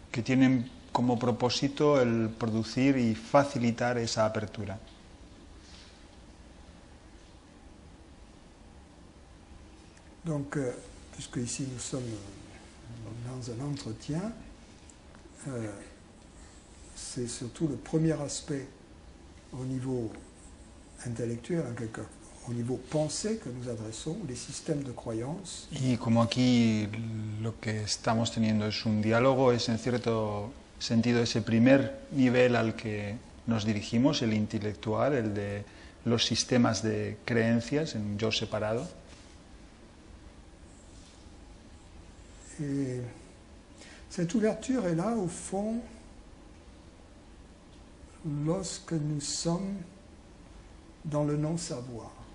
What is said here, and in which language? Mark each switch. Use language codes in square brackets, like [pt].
[es] Que tienen como propósito el producir y facilitar esa apertura. [fr] Donc, puisque ici nous sommes dans un entretien, c'est surtout le premier aspect au niveau intellectuel, en quelque sorte, au niveau pensée que nous adressons, les systèmes de croyances. [es] Y como aquí lo que estamos teniendo es un diálogo, es en cierto sentido ese primer nivel al que nos dirigimos, el intelectual, el de los sistemas de creencias, en yo separado. [fr] Et cette ouverture est là, au fond, lorsque nous sommes dans le non-savoir.